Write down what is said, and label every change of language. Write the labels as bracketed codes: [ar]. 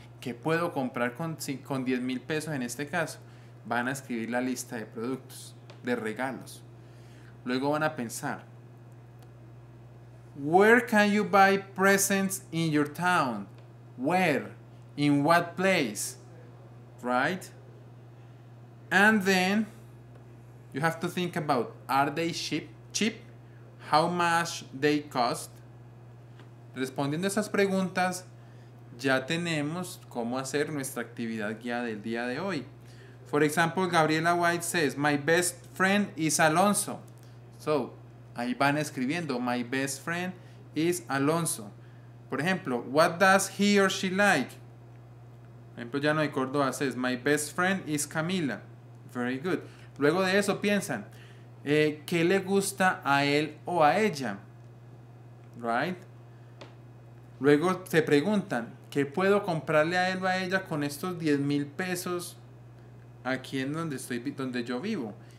[es] ¿Qué puedo comprar con 10,000 pesos en este caso? Van a escribir la lista de productos, de regalos. Luego van a pensar, [en] where can you buy presents in your town? Where? In what place? Right? And then you have to think about, are they cheap? How much they cost? [es] Respondiendo esas preguntas, ya tenemos cómo hacer nuestra actividad guía del día de hoy. [en] For example, Gabriela White says, my best friend is Alonso. So, [es] ahí van escribiendo, [en] my best friend is Alonso. [es] Por ejemplo, [en] what does he or she like? [es] Por ejemplo, [en] Llano de Córdoba says, my best friend is Camila. Very good. [es] Luego de eso piensan, ¿qué le gusta a él o a ella? [en] Right? [es] Luego se preguntan, ¿qué puedo comprarle a él o a ella con estos 10,000 pesos aquí en donde yo vivo?